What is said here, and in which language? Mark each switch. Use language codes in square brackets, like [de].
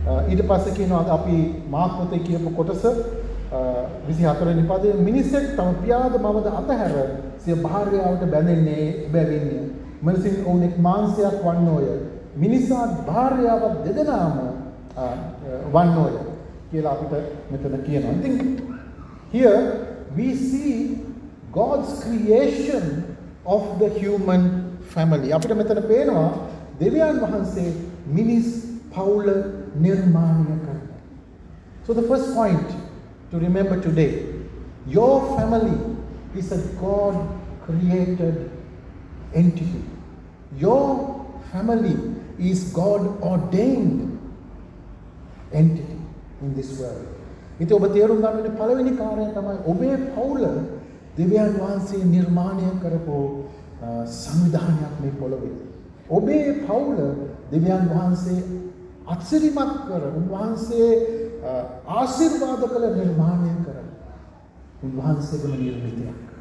[si] ඊට පස්සේ කියනවා අපි මාක්කොතේ කියපු කොටස 24 වෙනි පදයේ, "මිනිසෙක් තම පියාද මවද අතහැර සිය භාර්යාවට බැඳෙන්නේ බැවින්නි. මිනිසින් ඔවුන් එක් මාංශයක් වන්නෝය. මිනිසා භාර්යාවත් දෙදෙනාම වන්නෝය" කියලා අපිට මෙතන කියනවා. [en] ඉතින් here we see God's creation of the human family. [si] අපිට මෙතන පේනවා දෙවියන් වහන්සේ මිනිස් පවුල නිර්මාණය කරන. [en] So the first point to remember today, your family is a God created entity. Your family is God ordained entity in this world. [si] ඉතින් ඔබ තේරුම් ගන්න ඕනේ පළවෙනි කාර්යය තමයි ඔබේ පවුල දෙවියන් වහන්සේ නිර්මාණය කරපු සංවිධානයක් මේ පොළවේ. ඔබේ පවුල දෙවියන් වහන්සේ අත්සිරිමත් කර උන්වහන්සේ ආශිර්වාද කළ නිර්මාණය කර උන්වහන්සේගේ නිර්මිතයක්.